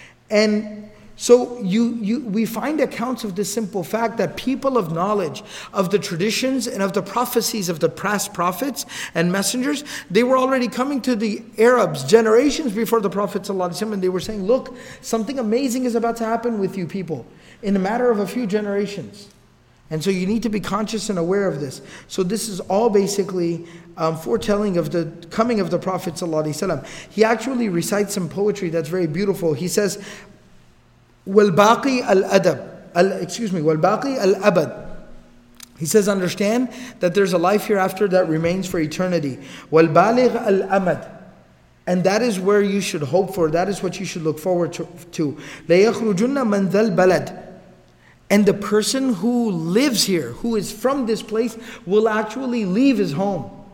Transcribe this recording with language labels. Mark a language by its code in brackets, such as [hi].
[en] And so we find accounts of this simple fact that people of knowledge, of the traditions and of the prophecies of the past prophets and messengers, they were already coming to the Arabs generations before the Prophet ﷺ, and they were saying, look, something amazing is about to happen with you people in a matter of a few generations. And so you need to be conscious and aware of this. So this is all basically foretelling of the coming of the Prophet ﷺ. He actually recites some poetry that's very beautiful. He says, [ar] والباقي الأدب والباقي الأبد. [en] He says, understand that there's a life hereafter that remains for eternity. [ar] والبالغ الأمد. [en] And that is where you should hope for. That is what you should look forward to. [ar] ليخرجن من ذا البلد. [en] And the person who lives here, who is from this place, will actually leave his home.